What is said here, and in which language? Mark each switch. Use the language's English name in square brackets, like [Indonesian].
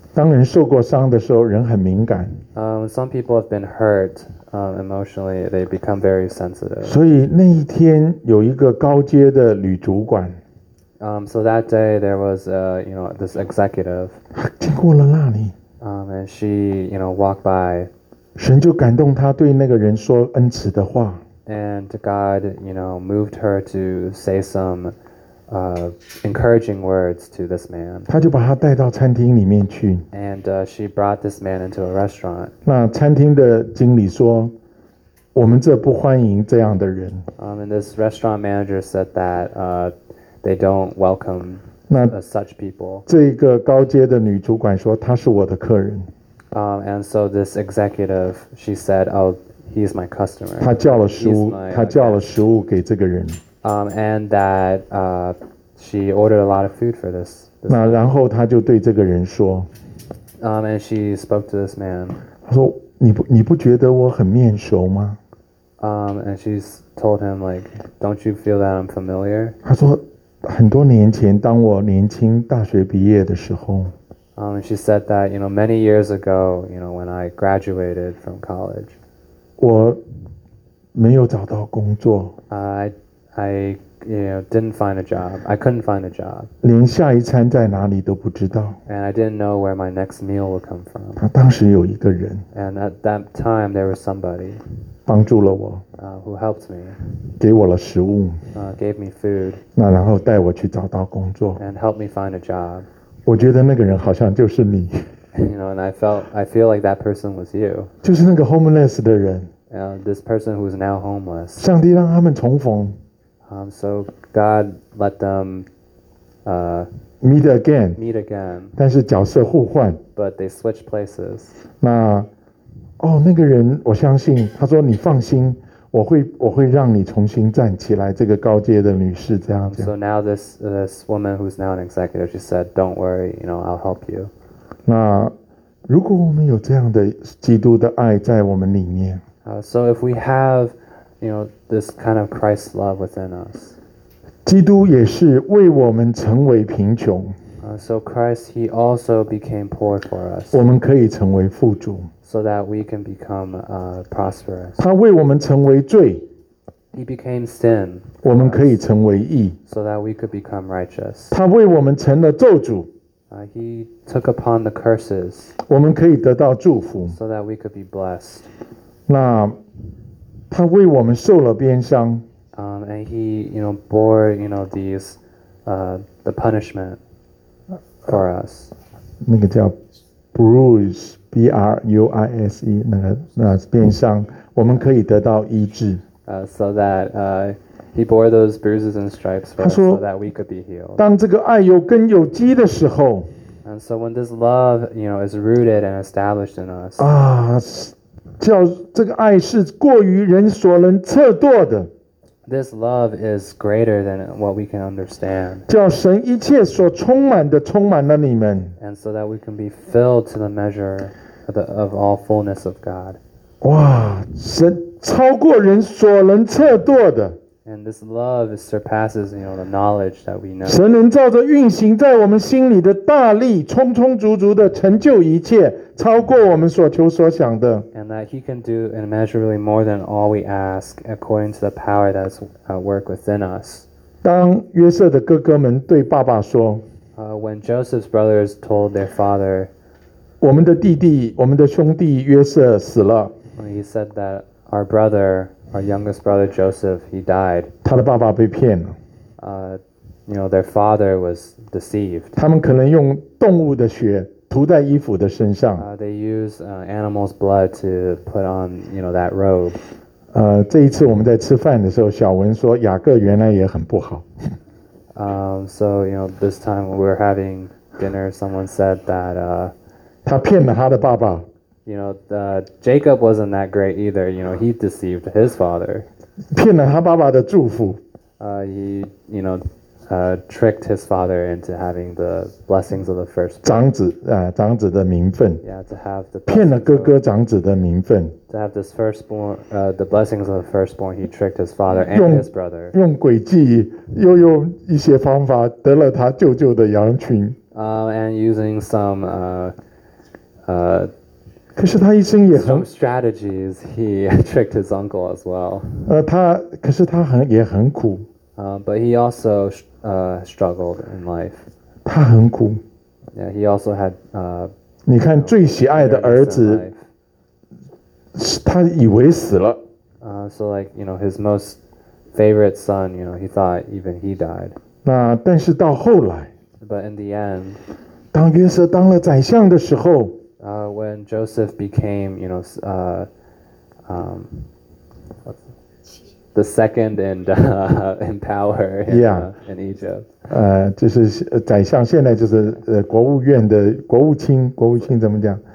[Chinese] 当人受过伤的时候人很敏感。 [English] Some people have been hurt. Emotionally, they become very sensitive. [Chinese] 所以那一天有一个高阶的女主管。 [English] So that day there was this executive. [Chinese] 经过了那里。 [English] And she, you know, walked by. [Chinese] 神就感动她对那个人说恩慈的话。 [English] And God, you know, moved her to say some encouraging words to this man. [Chinese] 她就把他带到餐厅里面去。 [English] And she brought this man into a restaurant. [Chinese] 那餐厅的经理说，我们这不欢迎这样的人。 [English] And this restaurant manager said that they don't welcome such people. [Chinese] 这个高阶的女主管说，她是我的客人。 [English] And so this executive, she said, oh, he is my customer. [Chinese] 她叫了食物，她叫了食物给这个人。 [English] And that she ordered a lot of food for this. [Chinese] 那然后她就对这个人说。 [English] And she spoke to this man. [Chinese] 她说，你不觉得我很面熟吗？ [English] And she told him, like, don't you feel that I'm familiar? [Chinese] 她说，很多年前，当我年轻大学毕业的时候。 [English] She said that, you know, many years ago, you know, when I graduated from college. [Chinese] 我没有找到工作。 [English] I you know, didn't find a job. I couldn't find a job. [Chinese] 连下一餐在哪里都不知道。 [English] And I didn't know where my next meal would come from. [Chinese] 他当时有一个人。 [English] And at that time, there was somebody. [Chinese] 帮助了我。 [English] Who helped me. [Chinese] 给我了食物。 [English] Gave me food. [Chinese] 那然后带我去找到工作。 [English] And helped me find a job. [Chinese] 我觉得那个人好像就是你。 [English] You know, and I feel like that person was you. [Chinese] 就是那个 homeless 的人。 [English] This person who is now homeless. [Chinese] 上帝让他们重逢。 [English] So God let them meet again. [Chinese] 但是角色互换。 [English] But they switch places. [Chinese] 那哦，那个人，我相信他说你放心，我会让你重新站起来。这个高阶的女士这样讲。 [English] So now this woman who's now an executive, she said, "Don't worry, you know, I'll help you." [Chinese] 那如果我们有这样的基督的爱在我们里面。 [English] So if we have you know, this kind of Christ's love within us. [Chinese] 基督也是为我们成为贫穷。 [English] So Christ, he also became poor for us. [Chinese] 我们可以成为富足。 [English] So that we can become prosperous. [Chinese] 他为我们成为罪。 [English] He became sin. [Chinese] 我们可以成为义。 [English] So that we could become righteous. [Chinese] 他为我们成了咒诅。 [English] He took upon the curses. [Chinese] 我们可以得到祝福。 [English] So that we could be blessed. [Chinese] 那他为我们受了鞭伤。 [English] And he, you know, bore, you know, these, the punishment for us. [Chinese] 那个叫 bruise, B-R-U-I-S-E, 那鞭伤，我们可以得到医治。 [English] So that, he bore those bruises and stripes for us, so that we could be healed. [Chinese] 当这个爱有根有基的时候。 [English] And so when this love, you know, is rooted and established in us. [Chinese] 啊，叫这个爱是过于人所能测度的。 [English] This love is greater than what we can understand. [Chinese] 叫神一切所充满的充满了你们。 [English] And so that we can be filled to the measure of all fullness of God. [Chinese] 哇，神超过人所能测度的。 [English] And this love surpasses, you know, the knowledge that we know. [Chinese] 神能照着运行在我们心里的大力，充充足足的成就一切，超过我们所求所想的。 [English] And that he can do immeasurably more than all we ask, according to the power that's at work within us. [Chinese] 当约瑟的哥哥们对爸爸说， [English] When Joseph's brothers told their father, [Chinese] 我们的弟弟，我们的兄弟约瑟死了。 [English] He said that our brother, our youngest brother Joseph, he died. [Chinese] 他的爸爸被骗了。 [English] You know, their father was deceived. [Chinese] 他们可能用动物的血涂在衣服的身上。 [English] They use animal's blood to put on, you know, that robe. [Chinese] 这一次我们在吃饭的时候，小文说雅各原来也很不好。 [English] So, you know, this time we were having dinner, someone said that, [Chinese] 他骗了他的爸爸。 [English] You know, Jacob wasn't that great either. You know, he deceived his father. [Chinese] 骗了他爸爸的祝福。 [English] He, you know, tricked his father into having the blessings of the first. [Chinese] 长子的名分。 [English] Yeah, to have the [Chinese] 骗了哥哥长子的名分。 [English] To have this firstborn, the blessings of the firstborn, he tricked his father and his brother. [Chinese] 用诡计，又用一些方法得了他舅舅的羊群。 [English] And using some, [Chinese] 可是他一生也很 [English] some strategies, he tricked his uncle as well. [Chinese] 可是他也很苦。 [English] But he also struggled in life. [Chinese] 他很苦。 [English] Yeah, he also had [Chinese] 你看最喜爱的儿子，他以为死了。 [English] So like, you know, his most favorite son, you know, he thought even he died. [Chinese] 那但是到后来 [English] But in the end, [Chinese] 当约瑟当了宰相的时候 [English] When Joseph became, you know, the second in power in Egypt. [Chinese] 就是宰相现在就是国务院的国务卿，国务卿怎么讲？